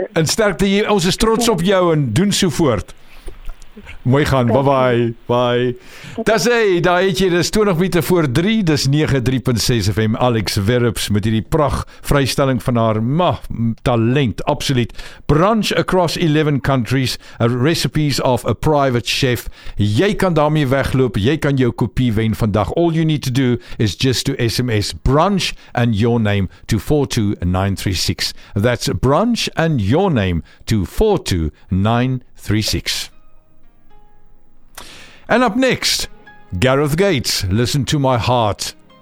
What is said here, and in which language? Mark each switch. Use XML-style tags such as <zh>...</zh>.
<af>En sterkte, ons is trots op jou en doen so voort. Mooi gaan, bye bye. Bye. Dis hy, daar het jy, dis 20 minute voor 3, dis 93.6 FM, Alex Werps met hierdie pracht vrystelling van haar talent, absoluut.</af> <en>Brunch across 11 countries, recipes of a private chef.</en> <af>Jy kan daarmee wegloop, jy kan jou kopie wen vandag.</af> <en>All you need to do is just to SMS brunch and your name to 42936. That's brunch and your name to 42936. And up next, Gareth Gates, Listen to My Heart.</en>